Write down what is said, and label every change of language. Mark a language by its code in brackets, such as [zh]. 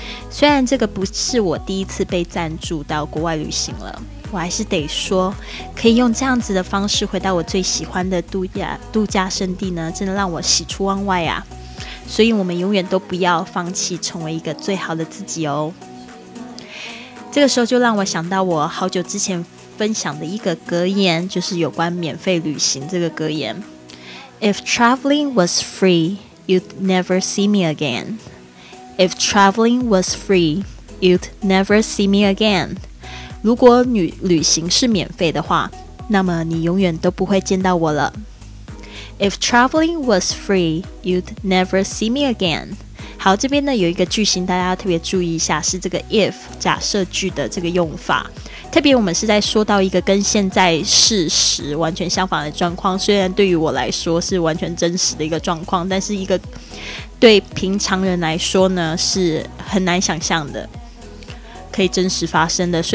[zh] 虽然这个不是我第一次被赞助到国外旅行了，我还是得说，可以用这样子的方式回到我最喜欢的度假胜地呢，真的让我喜出望外啊。所以我们永远都不要放弃成为一个最好的自己哦。这个时候就让我想到我好久之前分享的一个格言，就是有关免费旅行这个格言。 [en] If traveling was free, you'd never see me again. If traveling was free, you'd never see me again. [zh] 如果旅行是免费的话，那么你永远都不会见到我了。 [en] If traveling was free, you'd never see me again. [zh] 好，这边呢有一个句型大家特别注意一下，是这个 if 假设句的这个用法。特别我们是在说到一个跟现在事实完全相反的状况，虽然对于我来说是完全真实的一个状况，但是一个对平常人来说呢是很难想象的可以真实发生的。